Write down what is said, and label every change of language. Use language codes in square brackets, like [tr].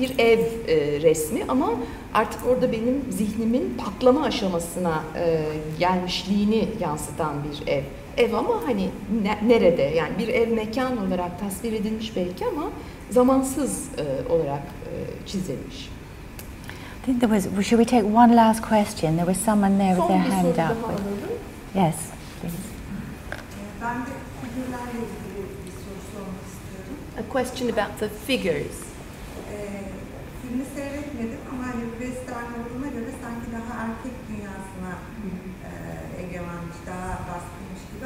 [tr] Bir ev resmi ama artık orada benim zihnimin patlama aşamasına gelmişliğini yansıtan bir ev. Ev ama hani nerede? Yani bir ev mekan olarak tasvir edilmiş belki ama zamansız olarak çizilmiş. [en] I think there was, should we take one last question? There was someone there with their hand up. [tr] Son bir soru daha alalım. [en] Yes. [tr] Ben de figürlerle ilgili bir soru sormak istiyorum. [en] A question about the figures. [tr] Filmi seyretmedim ama hani Western olduğuna göre sanki daha erkek dünyasına egemenmiş, daha baskınmış gibi.